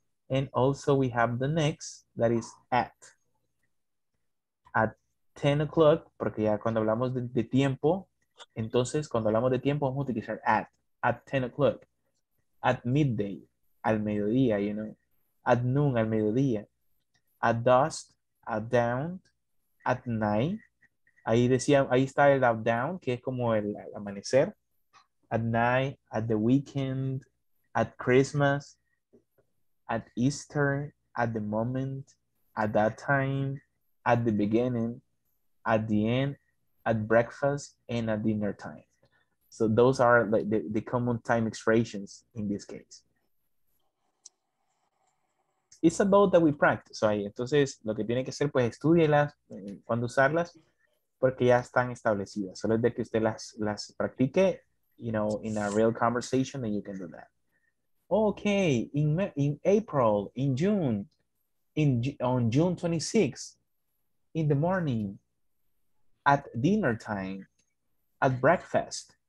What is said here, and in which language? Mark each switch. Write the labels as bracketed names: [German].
[English] And also we have the next, that is at. At 10 o'clock, [Spanish] porque ya cuando hablamos de tiempo, entonces cuando hablamos de tiempo vamos a utilizar at. [English] At 10 o'clock. At midday, [Spanish] al mediodía, [English] you know. At noon, [Spanish] al mediodía. [English] At dusk, at dawn, at night. [Spanish] Ahí decía, ahí está el at dawn, que es como el amanecer. [English] At night, at the weekend, at Christmas, at Easter, at the moment, at that time, at the beginning, at the end, at breakfast, and at dinner time. So those are like the common time expressions in this case. It's about that we practice. [Spanish] So, entonces, lo que tiene que hacer, pues, estudiarlas, cuando usarlas, porque ya están establecidas. Solo es de que usted las practique. [English] You know, in a real conversation, then you can do that. Okay, in April, in June, on June 26th, in the morning, at dinner time, at breakfast.